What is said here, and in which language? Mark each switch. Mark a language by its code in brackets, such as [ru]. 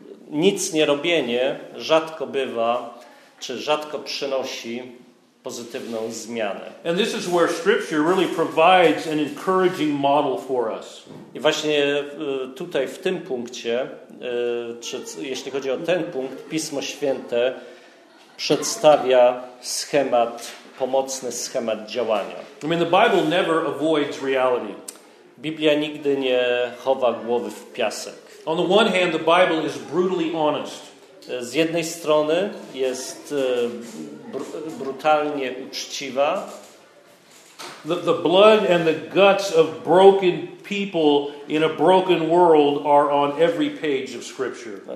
[pl] Nic nie robienie rzadko bywa, czy rzadko przynosi pozytywną zmianę. [en] And this is where Scripture really provides an encouraging model for us. [pl] I właśnie tutaj w tym punkcie, czy jeśli chodzi o ten punkt, Pismo Święte przedstawia schemat, pomocny schemat działania. [en] I mean, the Bible never avoids reality. [pl] Biblia nigdy nie chowa głowy w piasek. [en] On the one hand, the Bible is brutally honest. [pl] Z jednej strony jest brutalnie uczciwa. [en] The blood and the guts of broken people in a broken world are on every page of Scripture.